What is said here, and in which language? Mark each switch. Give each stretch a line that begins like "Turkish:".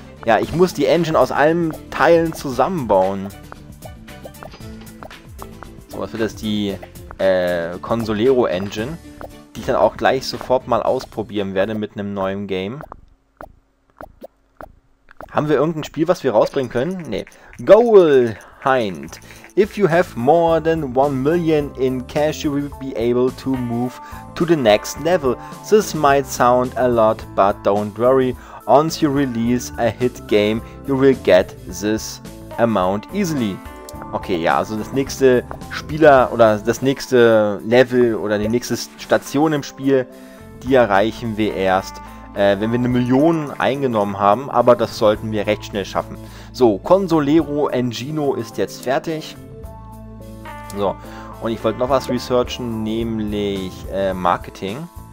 German: Ja, ich muss die Engine aus allen Teilen zusammenbauen. Was wird das? Die Consolero Engine, die ich dann auch gleich sofort mal ausprobieren werde mit einem neuen Game. Haben wir irgendein Spiel, was wir rausbringen können? Nee. Goal Hind.
English: If you have more than 1 million in cash, you will be able to move to the next level. This might sound a lot, but don't worry. Once you release a hit game, you will get this amount easily.
German: Okay, ja, also das nächste Spieler oder das nächste Level oder die nächste Station im Spiel, die erreichen wir erst, wenn wir 1 Million eingenommen haben, aber das sollten wir recht schnell schaffen. So, Consolero Engino ist jetzt fertig. So, und ich wollte noch was researchen, nämlich Marketing.